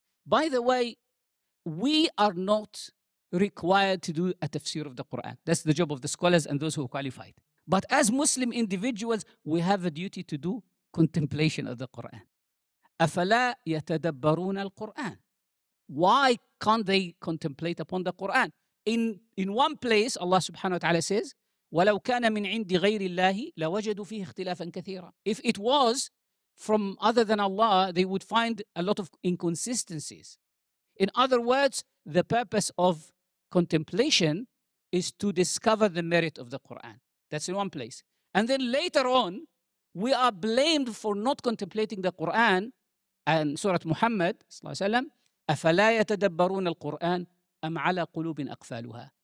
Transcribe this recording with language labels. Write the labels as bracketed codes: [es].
[en] By the way, we are not required to do a tafsir of the Quran. That's the job of the scholars and those who are qualified. But as Muslim individuals, we have a duty to do contemplation of the Quran. [ar] أَفَلَا يَتَدَبَّرُونَ الْقُرْآنَ. [en] Why can't they contemplate upon the Quran? In one place, Allah subhanahu wa ta'ala says, [ar] وَلَوْ كَانَ مِنْ عِنْدِ غَيْرِ اللَّهِ لَوَجَدُوا فِيهِ اخْتِلَافًا كَثِيرًا. [en] If it was from other than Allah, they would find a lot of inconsistencies. In other words, the purpose of contemplation is to discover the merit of the Quran. That's in one place. And then later on, we are blamed for not contemplating the Quran and Surah Muhammad, sallallahu alayhi wa sallam, [ar] أَفَلَا يَتَدَبَّرُونَ الْقُرْآنَ أَمْ عَلَى قُلُوبٍ أَقْفَالُهَا.